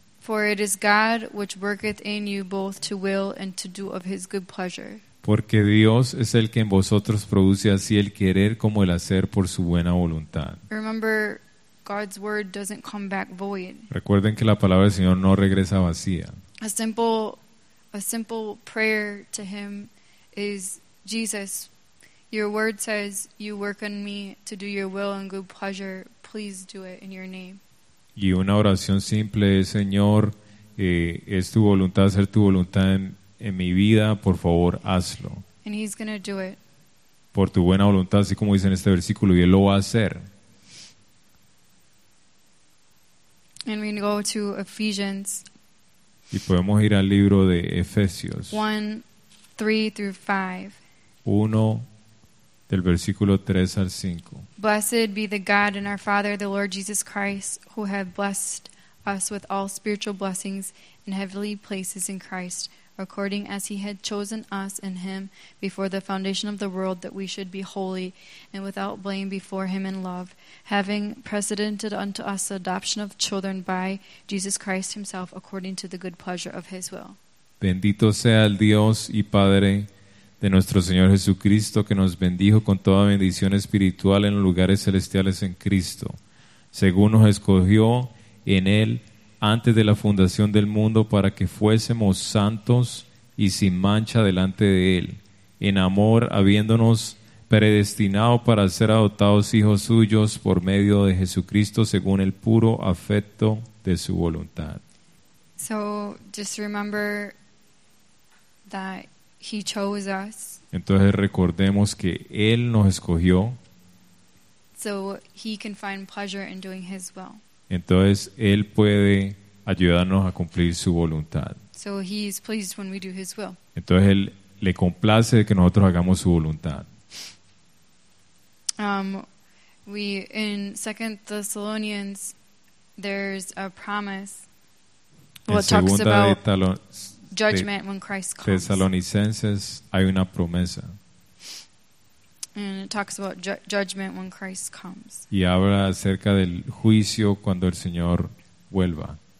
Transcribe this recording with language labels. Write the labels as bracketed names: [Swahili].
[English] "For it is God which worketh in you both to will and to do of his good pleasure." [Spanish] Porque Dios es el que en vosotros produce así el querer como el hacer por su buena voluntad. [English] Remember, God's word doesn't come back void. [Spanish] Recuerden que la palabra del Señor no regresa vacía. [English] A simple prayer to him is, "Jesus, your word says you work in me to do your will and good pleasure. Please do it in your name." [Spanish] Y una oración simple es, "Señor, es tu voluntad hacer tu voluntad en mi vida. Por favor, hazlo." [English] And he's going to do it. [Spanish] Por tu buena voluntad, así como dice en este versículo, y él lo va a hacer. [English] And we go to Ephesians. [Spanish] Y podemos ir al libro de Efesios. [English] 1:3-5. [Spanish] 1 del versículo 3 al 5. [English] "Blessed be the God and our Father, the Lord Jesus Christ, who have blessed us with all spiritual blessings in heavenly places in Christ, according as he had chosen us in him before the foundation of the world, that we should be holy and without blame before him in love, having precedented unto us the adoption of children by Jesus Christ himself, according to the good pleasure of his will." [Spanish] Bendito sea el Dios y Padre de nuestro Señor Jesucristo, que nos bendijo con toda bendición espiritual en los lugares celestiales en Cristo, según nos escogió en él antes de la fundación del mundo, para que fuésemos santos y sin mancha delante de él, en amor habiéndonos predestinado para ser adoptados hijos suyos por medio de Jesucristo, según el puro afecto de su voluntad. [English] So just remember that he chose us. [Spanish] Entonces recordemos que él nos escogió. [English] So he can find pleasure in doing his will. [Spanish] Entonces él puede ayudarnos a cumplir su voluntad. [English] So he is pleased when we do his will. [Spanish] Entonces él le complace que nosotros hagamos su voluntad. [English] We in 2 Thessalonians there's a promise. Well, it talks about judgment when Christ comes. [Spanish] Tesalonicenses, hay una promesa. [English] And it talks about judgment when Christ comes. [Spanish] Y habla acerca del juicio cuando el Señor vuelva.